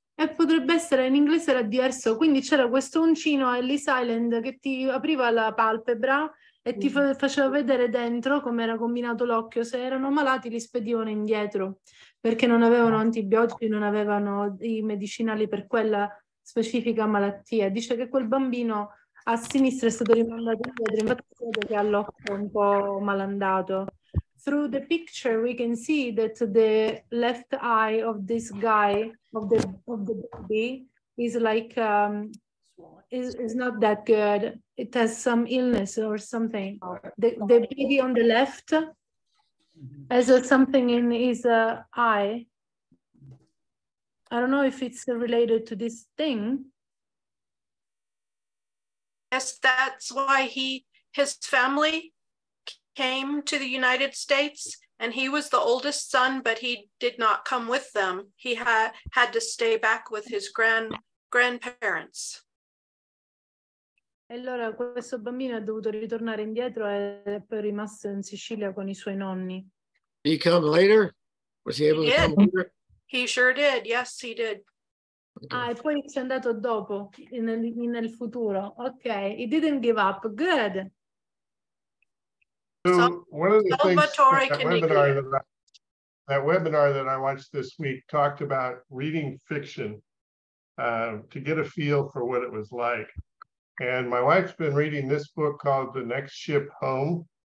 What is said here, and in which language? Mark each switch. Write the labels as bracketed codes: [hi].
[it] E potrebbe essere, in inglese era diverso, quindi c'era questo uncino a Ellis Island che ti apriva la palpebra e ti faceva vedere dentro come era combinato l'occhio, se erano malati li spedivano indietro perché non avevano antibiotici, non avevano i medicinali per quella specifica malattia. Dice che quel bambino a sinistra è stato rimandato indietro, infatti vedo che ha l'occhio un po' malandato. [en] Through the picture, we can see that the left eye of this guy, of the baby, is like is not that good. It has some illness or something. The baby on the left has something in his eye. I don't know if it's related to this thing. Yes, that's why his family came to the United States, and he was the oldest son, but he did not come with them. He had to stay back with his grandparents. [it] E allora questo bambino è dovuto ritornare indietro e è rimasto in Sicilia con i suoi nonni. [en] He come later? Was he able to come later? He sure did. Yes, he did. [it] Ah, e poi ci è andato dopo, nel futuro. [en] Okay, he didn't give up. Good. So one of the things that webinar that I watched this week talked about reading fiction to get a feel for what it was like. And my wife's been reading this book called The Next Ship Home.